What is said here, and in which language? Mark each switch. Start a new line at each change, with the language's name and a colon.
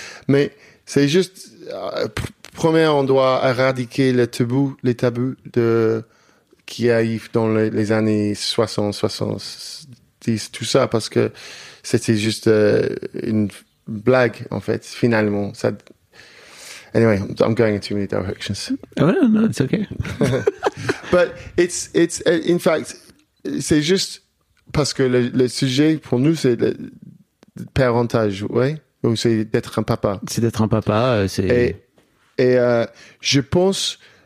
French: Mais c'est juste, premier, on doit éradiquer les tabous de, qui arrivent dans les années 60, 70, tout ça, parce que c'était juste une blague, en fait, finalement.
English: Ça, anyway, I'm going in too many directions. Oh, no, it's okay. But it's, in fact,
French: c'est juste parce que le sujet pour nous, c'est le parentage, ouais. Donc, c'est d'être un papa. C'est d'être un papa, c'est... Et je pense...